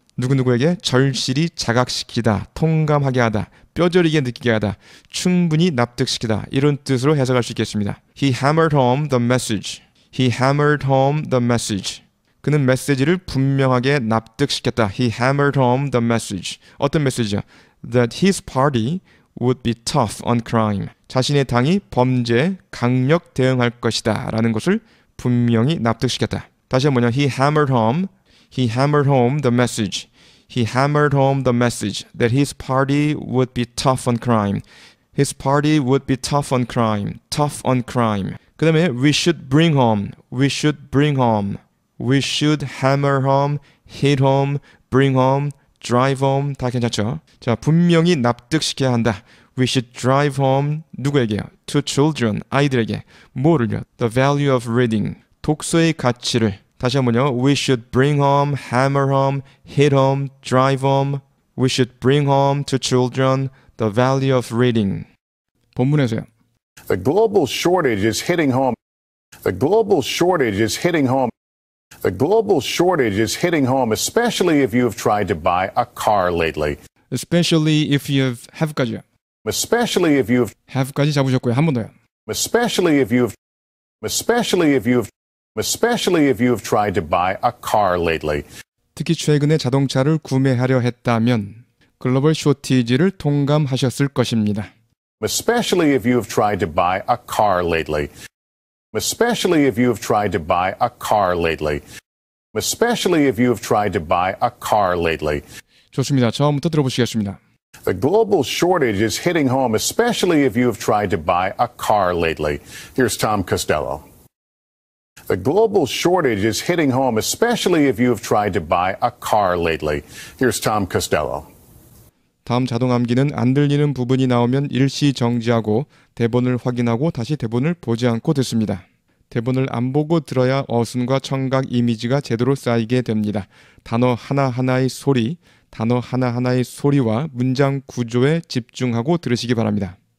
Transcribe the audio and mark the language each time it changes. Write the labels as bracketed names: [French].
[Korean] 누구누구에게 절실히 자각시키다, 통감하게 하다, 뼈저리게 느끼게 하다, 충분히 납득시키다. 이런 뜻으로 해석할 수 있겠습니다. [English] He hammered home the message. He hammered home the message. [Korean] 그는 메시지를 분명하게 납득시켰다. [English] He hammered home the message. [Korean] 어떤 메시지죠? [English] That his party would be tough on crime. [Korean] 자신의 당이 범죄에 강력 대응할 것이다 라는 것을 분명히 납득시켰다. 다시 한번요. [English] He hammered home the message. He hammered home the message that his party would be tough on crime. His party would be tough on crime. Tough on crime. [Korean] 그 다음에 [English] we should bring home. We should bring home. We should hammer home, hit home, bring home, drive home. [Korean] 다 괜찮죠? 자, 분명히 납득시켜야 한다. [English] We should drive home [Korean] 누구에게요? [English] To children, [Korean] 아이들에게. 뭐를요? [English] The value of reading. [Korean] 독서의 가치를. 다시 한번요. [English] We should bring home, hammer home, hit home, drive home. We should bring home to children the value of reading. [Korean] 본문에서요. [English] The global shortage is hitting home. The global shortage is hitting home. The global shortage is hitting home, especially if you have tried to buy a car lately. Especially if you have 까지요. Especially if you [Korean] have까지 잡으셨고요. 한 번 더요. [English] Especially if you have, especially if you have, especially if you have tried to buy a car lately. [Korean] 특히 최근에 자동차를 구매하려 했다면 글로벌 쇼티지를 통감하셨을 것입니다. [English] Especially if you have tried to buy a car lately. Especially if you have tried to buy a car lately. Especially if you have tried to buy a car lately. [Korean] 좋습니다. 처음부터 들어보시겠습니다. [English] The global shortage is hitting home, especially if you have tried to buy a car lately. Here's Tom Costello. The global shortage is hitting home, especially if you have tried to buy a car lately. Here's Tom Costello. [Korean] 다음 자동 암기는 안 들리는 부분이 나오면 일시 정지하고 대본을 확인하고 다시 대본을 보지 않고 듣습니다. 대본을 안 보고 들어야 어순과 청각 이미지가 제대로 쌓이게 됩니다. 단어 하나하나의 소리, 단어 하나하나의 소리와 문장 구조에 집중하고 들으시기 바랍니다.